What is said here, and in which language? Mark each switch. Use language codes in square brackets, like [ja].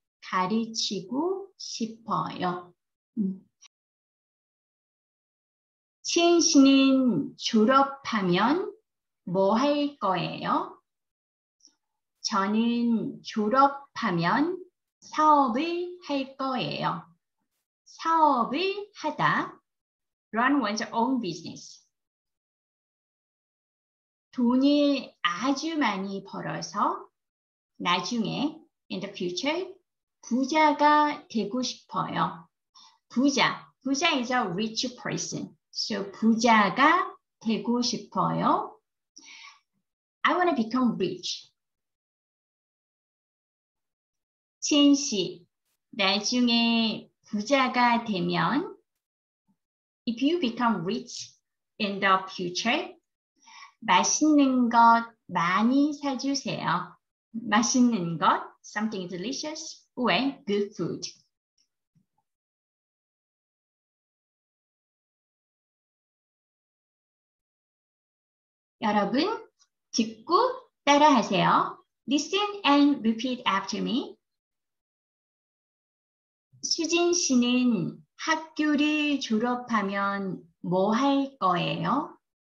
[ko] 가르치고 싶어요. 시은 씨는 졸업하면 뭐 할 거예요? 저는 졸업하면 사업을 할 거예요. 사업을 하다, [en] run one's own business. [ko] 돈을 아주 많이 벌어서 나중에, in the future, 부자가 되고 싶어요. 부자 [en] is a rich person. [ko] So 부자가 되고 싶어요. [en] I want to become rich. [ko] 지은 씨, 나중에 부자가 되면, [en] if you become rich in the future, [ko] 맛있는 것 많이 사주세요. 맛있는 것, [en] something delicious, or good food. [ko] 여러분, 듣고 따라하세요. [en] Listen and repeat after me. [ko] 수진 씨는 학교를 졸업하면 뭐할 거예요?